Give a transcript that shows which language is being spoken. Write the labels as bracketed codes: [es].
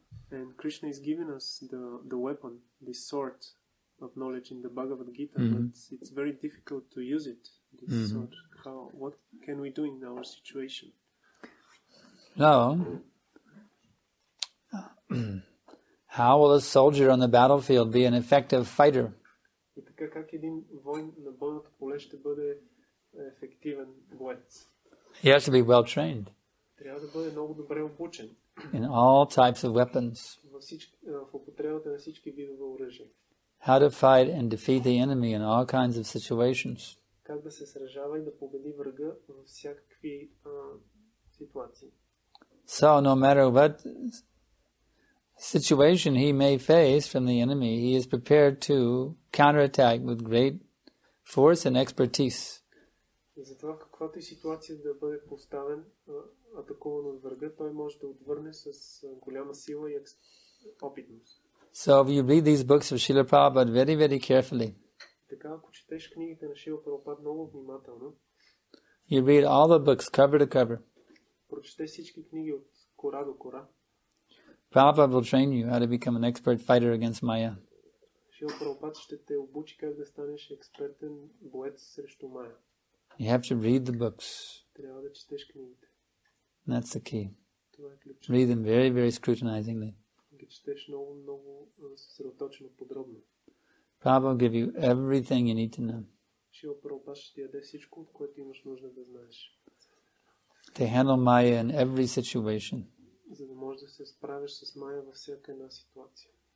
[en] And Krishna has given us the weapon, the sword of knowledge in the Bhagavad Gita, but it's very difficult to use it, this sword. What can we do in our situation? Now, how will a soldier on the battlefield be an effective fighter? [bg] Как един воин на бойното поле ще бъде ефективен боец? [en] He has to be well trained. [bg] Трябва да бъде много добре обучен. [en] In all types of weapons. [bg] В употребата на всички видове оръжие. [en] How to fight and defeat the enemy in all kinds of situations. [bg] Как да се сражава и да победи врага във всякакви ситуации. [en] So no matter what situation he may face from the enemy, he is prepared to counterattack with great force and expertise. [bg] Затова каквато и ситуация да бъде поставен, атакуван от врага, той може да отвърне с голяма сила и опитност. [en] So if you read these books of Srila Prabhupada very, very carefully. [bg] Така ако четеш книгите на Шрила Прабхупада много внимателно. [en] You read all the books cover to cover. [bg] Прочете всички книги от кора до кора. [en] Prabhupada will train you how to become an expert fighter against Maya. [bg] Шрила Прабхупада ще те обучи как да станеш експертен боец срещу Maya. [en] You have to read the books. [bg] Трябва да четеш книгите. [en] That's the key. [bg] Това е ключ. [en] Read them very, very scrutinizingly. [bg] Ги четеш много, много съсредоточено, подробно. [en] Prabhupada will give you everything you need to know. [bg] Шрила Прабхупада ще ти даде всичко, от което имаш нужда да знаеш. [en] To handle Maya in every situation. [bg] За да можеш да се справиш с Maya във всяка една ситуация.